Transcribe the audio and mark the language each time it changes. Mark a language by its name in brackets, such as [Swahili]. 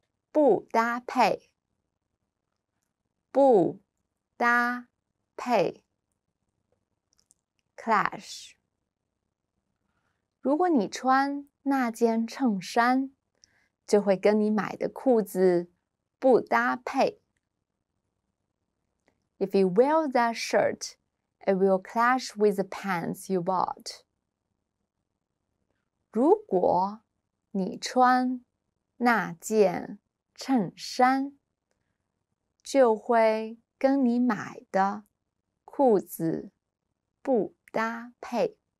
[Chinese] 不搭配。不搭配。Clash. 如果你穿那件衬衫就会跟你买的裤子不搭配。 [English] If you wear that shirt, it will clash with the pants you bought. [Chinese] 如果你穿那件衬衫，就会跟你买的裤子不搭配。